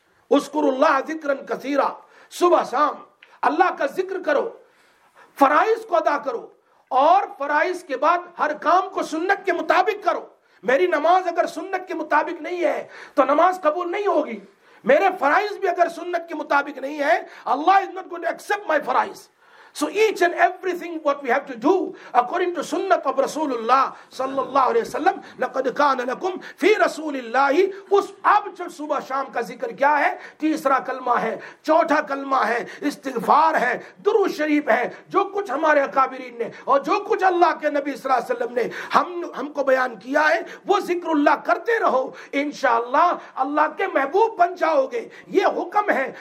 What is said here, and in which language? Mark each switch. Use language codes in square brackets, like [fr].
[ar] اذکر اللہ ذکرا کثیرا, [ur] صبح شام اللہ کا ذکر کرو, فرائض کو ادا کرو, اور فرائض کے بعد ہر کام کو سنت کے مطابق کرو. میری نماز اگر سنت کے مطابق نہیں ہے تو نماز قبول نہیں ہوگی. میرے فرائض بھی اگر سنت کے مطابق نہیں ہے, اللہ [en] is not going to accept my [ur] فرائض. [en] So each and everything what we have to do according to sunnah of Rasulullah sallallahu alaihi wasallam, [ar] لَقَدْ كَانَ لَكُمْ فِي رَسُولِ اللَّهِ. [ur] اس اب جو صبح شام کا ذکر کیا ہے, تیسرا کلمہ ہے, چوتھا کلمہ ہے, استغفار ہے, درود شریف ہے, جو کچھ ہمارے اکابرین نے اور جو کچھ اللہ کے نبی صلی اللہ علیہ وسلم نے ہم کو بیان کیا ہے, وہ ذکر اللہ کرتے رہو, انشاءاللہ اللہ کے محبوب بن جاؤ گے. یہ حکم ہے.